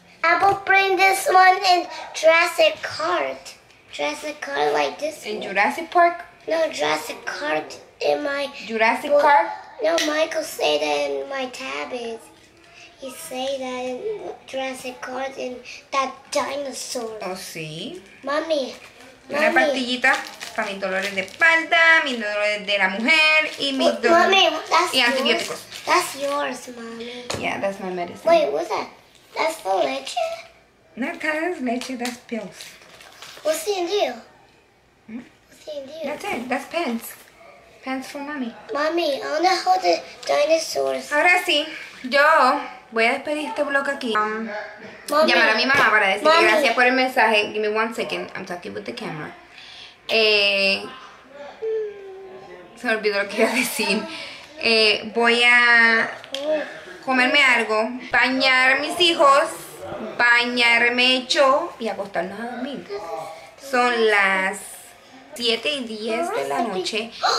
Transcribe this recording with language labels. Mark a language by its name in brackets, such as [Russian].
[English] Abu bring this one in Jurassic Park. Jurassic Park like this. In Jurassic Park? No, Jurassic Park in my Jurassic Park? No, Michael say that in my tablet. He say that in Jurassic Park in that dinosaur. [Spanish] Oh, sí. Mami. Una pastillita para mis dolores de espalda, mis dolores de la mujer y mis dolores. Mami, [English] that's [Spanish] y antibióticos. [English] Yours? That's yours, mami. Yeah, that's my medicine. Wait, what's that? That's the leche? Not that is leche, that's pills. What's the deal? What's the deal? That's it, that's pants. Pants for mommy. Mommy, I wanna hold the dinosaurs. [Spanish] Ahora sí, yo voy a despedir este vlog aquí. Llamar a mi mamá para decirle mommy. Gracias por el mensaje. [English] Give me 1 second, I'm talking with the camera. [Spanish] Se me olvidó lo que iba a decir. Voy a... comerme algo, bañar mis hijos, bañarme yo y acostarnos a dormir. Son las 7 y 10 de la noche.